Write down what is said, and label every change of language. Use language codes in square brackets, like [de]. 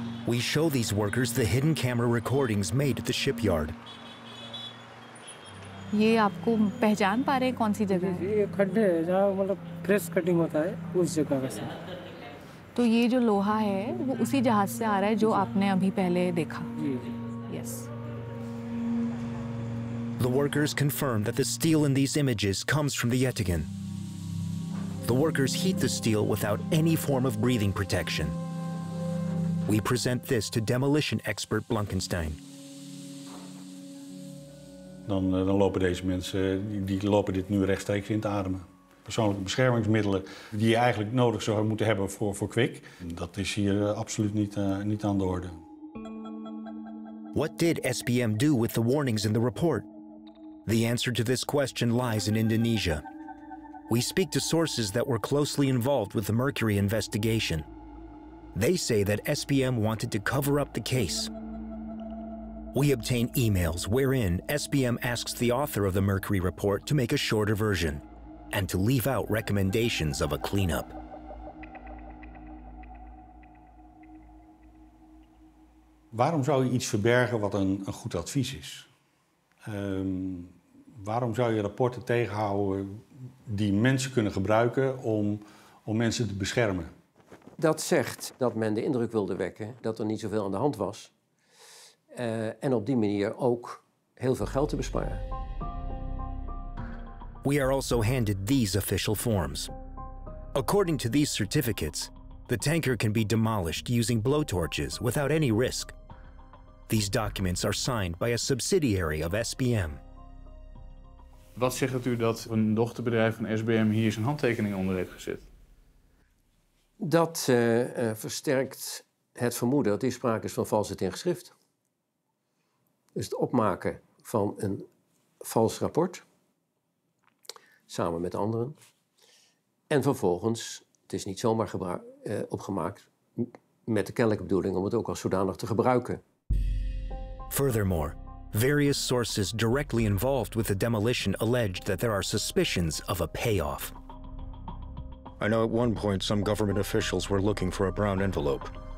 [en] we show these workers the hidden camera recordings made at the shipyard [hi] ये आपको पहचान पा रहे हैं कौन सी जगह? ये खड्डे है जहाँ मतलब प्रेस कटिंग होता है उस जगह का सर। तो ये जो लोहा है वो उसी जहाज से आ रहा है जो आपने अभी पहले देखा? जी। [en] Yes. The workers confirm that the steel in these images comes from the Yetigan. The workers heat the steel without any form of breathing protection. We present this to demolition expert Blankenstein. [nl] Dan lopen deze mensen, die lopen dit nu rechtstreeks in te ademen. Persoonlijke beschermingsmiddelen die je eigenlijk nodig zou moeten hebben voor kwik. Dat is hier absoluut niet aan de orde. [en] What did SBM do with the warnings in the report? The answer to this question lies in Indonesia. We speak to sources that were closely involved with the mercury investigation. They say that SBM wanted to cover up the case. We obtain emails wherein SBM asks the author of the mercury report to make a shorter version and to leave out recommendations of a cleanup. [nl] Waarom zou je iets verbergen wat een goed advies is? Waarom zou je rapporten tegenhouden die mensen kunnen gebruiken om mensen te beschermen? Dat zegt dat men de indruk wilde wekken dat er niet zoveel aan de hand was. En op die manier ook heel veel geld te besparen. [en] We are also handed these official forms. According to these certificates, the tanker can be demolished using blowtorches without any risk. These documents are signed by a subsidiary of SBM. [nl] Wat zegt u dat een dochterbedrijf van SBM hier zijn handtekening onder heeft gezet? Dat versterkt het vermoeden dat hier sprake is van valsheid in geschrift. Dus het opmaken van een vals rapport, samen met anderen. En vervolgens, het is niet zomaar opgemaakt, met de kennelijke bedoeling om het ook als zodanig te gebruiken. [en] Furthermore, various sources directly involved with the demolition alleged that there are suspicions of a payoff. I know at one point some government officials were looking for a brown envelope.